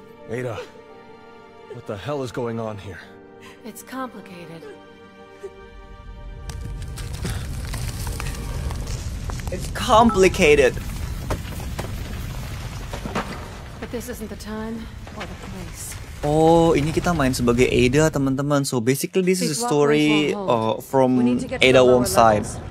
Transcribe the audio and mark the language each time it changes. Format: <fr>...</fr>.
<en>Ada, what the hell is going on here? It's complicated. It's complicated. But this isn't the time or the place.</en> <id>Oh, ini kita main sebagai Ada, teman-teman.</id> <en>So basically, this is a story from Ada Wong's side.</en>